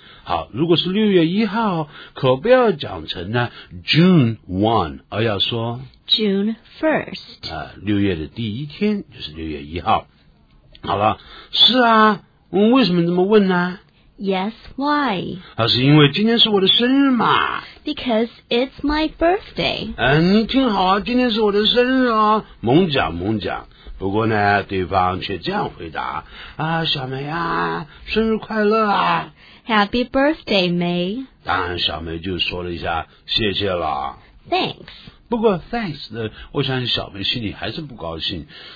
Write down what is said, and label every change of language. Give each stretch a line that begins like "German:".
Chinese: 好，如果是六月一号，可不要讲成呢 June 1， 而要说
English: June 1st、
Chinese: 六月的第一天就是六月一号。好了，是啊，为什么这么问呢？
English: Yes, why?
Chinese: 那是因为今天是我的生日嘛。
English: Because it's my birthday.
Chinese: 你听好啊，今天是我的生日哦，猛讲猛讲。不过呢，对方却这样回答，啊，小梅啊，生日快乐啊。
English: Happy birthday, May.
Chinese: 当然小梅就说了一下，谢谢了。
English: Thanks.
Chinese: 不过 thanks 呢，我相信小梅心里还是不高兴。